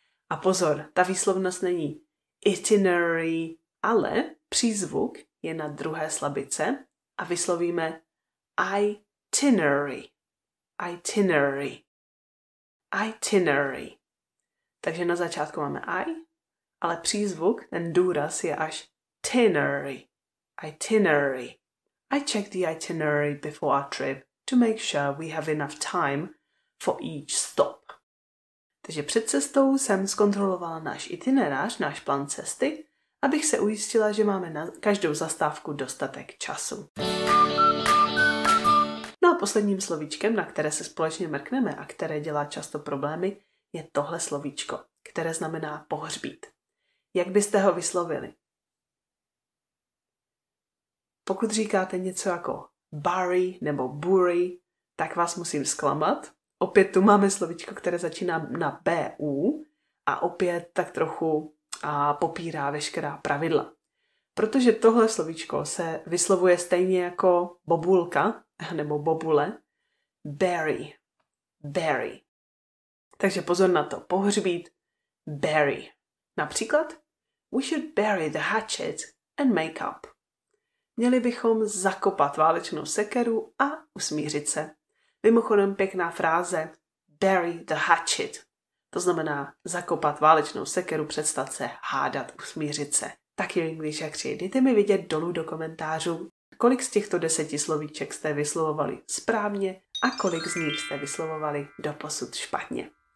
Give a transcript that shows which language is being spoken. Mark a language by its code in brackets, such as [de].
[cs] A pozor, ta výslovnost není itinerary, ale přízvuk je na druhé slabice a vyslovíme itinerary. Itinerary. Itinerary. Takže na začátku máme i, ale přízvuk, ten důraz je až tinerary. Itinerary. [en] I checked the itinerary before our trip to make sure we have enough time for each stop. [cs] Takže před cestou jsem zkontrolovala náš itinerář, náš plán cesty, abych se ujistila, že máme na každou zastávku dostatek času. No a posledním slovíčkem, na které se společně mrkneme a které dělá často problémy, je tohle slovíčko, které znamená pohřbít. Jak byste ho vyslovili? Pokud říkáte něco jako bury nebo bury, tak vás musím zklamat. Opět tu máme slovíčko, které začíná na BU a opět tak trochu popírá veškerá pravidla. Protože tohle slovíčko se vyslovuje stejně jako bobulka nebo bobule. Bury. Bury. Takže pozor na to. Pohřbít. Bury. Například? [en] We should bury the hatchet and make up. [cs] Měli bychom zakopat válečnou sekeru a usmířit se. Mimochodem pěkná fráze. [en] Bury the hatchet. [cs] To znamená zakopat válečnou sekeru, přestat se, hádat, usmířit se. Taky v English jak říct. Dejte mi vidět dolů do komentářů, kolik z těchto 10 slovíček jste vyslovovali správně a kolik z nich jste vyslovovali doposud špatně.